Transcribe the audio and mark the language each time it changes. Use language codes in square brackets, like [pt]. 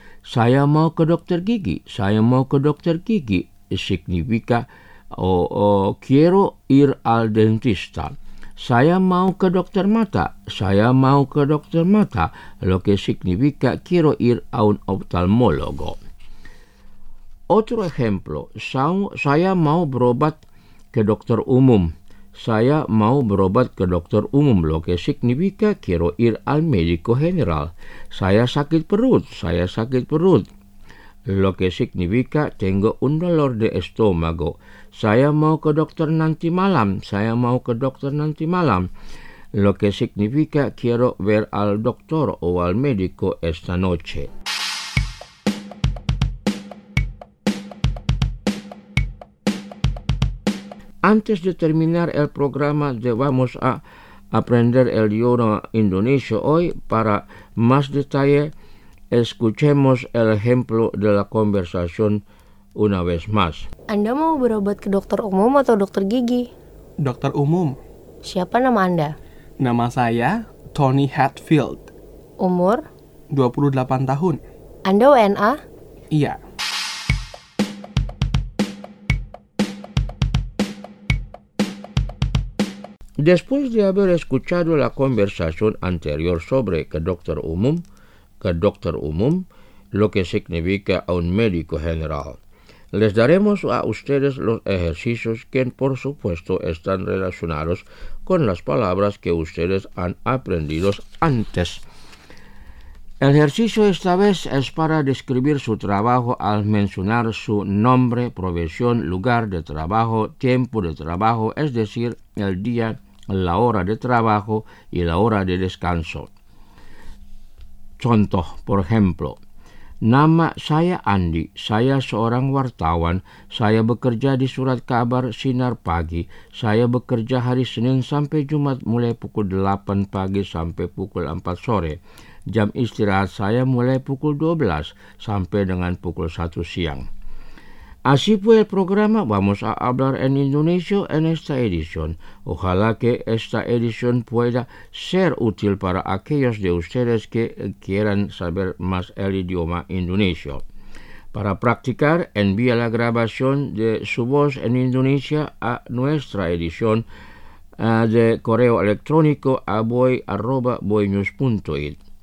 [id] Saya mau ke dokter gigi. Saya mau ke dokter gigi. [es] Significa, quiero ir al dentista. [id] Saya mau ke dokter mata. Saya mau ke dokter mata. [es] Lo que significa, quiero ir a un oftalmólogo. Otro ejemplo. [id] Saya mau berobat ke dokter umum. Saya mau berobat ke dokter umum, [es] lo que significa quiero ir al médico general. [id] Saya sakit perut, saya sakit perut. [es] Lo que significa tengo un dolor de estómago. [id] Saya mau ke dokter nanti malam, saya mau ke dokter nanti malam. [es] Lo que significa quiero ver al doctor o al médico esta noche. Antes de terminar el programa de Vamos a Aprender el Idioma Indonesio hoy, para más detalle, escuchemos el ejemplo de la conversación una vez más. [id] Anda mau berobat ke dokter umum atau dokter gigi? Dokter umum. Siapa nama Anda? Nama saya Tony Hatfield. Umur? 28 tahun. Anda WNA? Iya. [es] Después de haber escuchado la conversación anterior sobre que doctor umum, lo que significa a un médico general, les daremos a ustedes los ejercicios que, por supuesto, están relacionados con las palabras que ustedes han aprendido antes. El ejercicio esta vez es para describir su trabajo al mencionar su nombre, profesión, lugar de trabajo, tiempo de trabajo, es decir, el día, la hora de trabajo y la hora de descanso. [id] Contoh, [es] por ejemplo, [id] nama saya Andi, saya seorang wartawan, saya bekerja di surat kabar Sinar Pagi, saya bekerja hari Senin sampai Jumat mulai pukul 8 pagi sampai pukul 4 sore. Jam istirahat saya mulai pukul 12 sampai dengan pukul 1 siang. [es] Así fue el programa Vamos a Hablar en Indonesio en esta edición. Ojalá que esta edición pueda ser útil para aquellos de ustedes que quieran saber más el idioma indonesio. Para practicar, envíe la grabación de su voz en Indonesia a nuestra edición de correo electrónico a boy@boynews.it.